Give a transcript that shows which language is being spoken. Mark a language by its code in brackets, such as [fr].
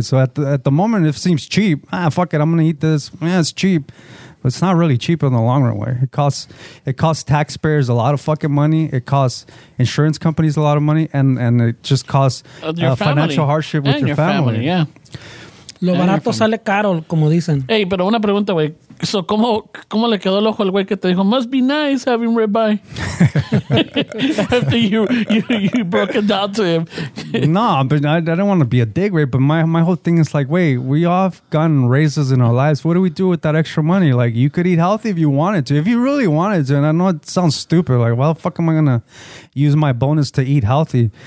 [en] So at the moment, it seems cheap. Fuck it, I'm going to eat this. Yeah, it's cheap. But it's not really cheap in the long run, way. It costs taxpayers a lot of fucking money. It costs insurance companies a lot of money. And it just costs financial hardship with your family. [es] Lo barato sale caro, como dicen. Hey, pero una pregunta, güey. So, ¿cómo le quedó el ojo al güey que te dijo, [en] must be nice having ribeye? After you broke it down to him. No, but I don't want to be a dig, right? But my whole thing is like, wait, we all have gotten raises in our lives. What do we do with that extra money? Like, you could eat healthy if you wanted to. If you really wanted to. And I know it sounds stupid. Like, why the fuck am I going to use my bonus to eat healthy?